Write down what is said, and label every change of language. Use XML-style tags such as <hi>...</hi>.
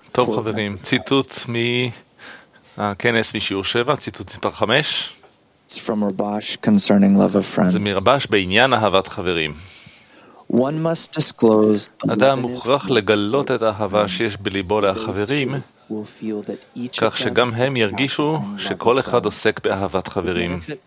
<he>טוב חברים, ציטוט מהכנס משיעור 7, ציטוט מספר 5.</he> <en>It's from Rabash concerning love of friends.</en> <he>זה מרבש בעניין אהבת חברים.</he> <en>One must disclose</en> <he>אדם מוכרח לגלות את האהבה שיש בליבו לחברים, כך שגם הם ירגישו שכל אחד עוסק באהבת חברים.</he>